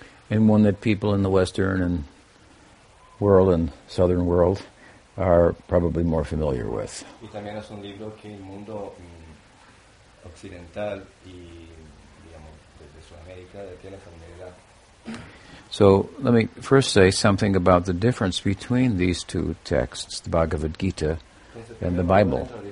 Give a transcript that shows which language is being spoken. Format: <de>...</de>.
<en>And one that people in the Western and world and Southern world are probably more familiar with.</en> <es>Y también es un libro que el mundo occidental y, digamos, desde Sudamérica tiene familiaridad.</es> <en>So let me first say something about the difference between these two texts, the Bhagavad Gita and the Bible.</en>